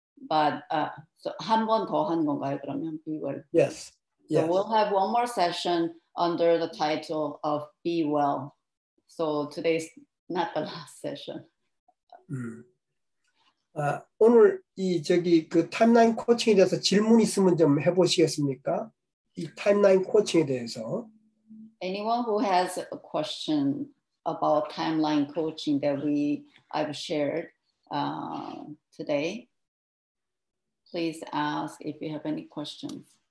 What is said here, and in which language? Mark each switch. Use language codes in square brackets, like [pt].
[en] But so [ko] 한 번 더 한 건가요? 그러면 B웰. [en] Yes. Yes. So we'll have one more session under the title of B웰. So today's not the last session. [ko] 오늘 이 저기 그 타임라인 코칭에 대해서 질문 있으면 좀 해보시겠습니까? 이 타임라인 코칭에 대해서. [en] Anyone who has a question about timeline coaching that I've shared today, please ask if you have any questions.